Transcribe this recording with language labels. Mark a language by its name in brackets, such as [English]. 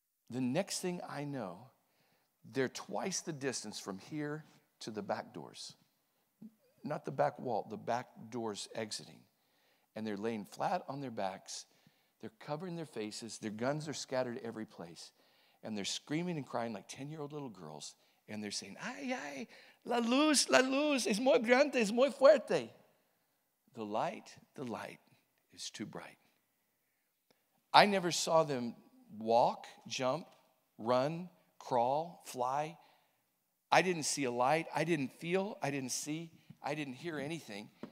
[English] The next thing I know, they're twice the distance from here to the back doors. Not the back wall, the back doors exiting. And they're laying flat on their backs. They're covering their faces. Their guns are scattered every place. And they're screaming and crying like 10-year-old little girls. And they're saying, [Spanish] "Ay, ay, la luz, es muy grande, es muy fuerte." [English] The light is too bright. I never saw them walk, jump, run, crawl, fly. I didn't see a light. I didn't feel. I didn't see. I didn't hear anything.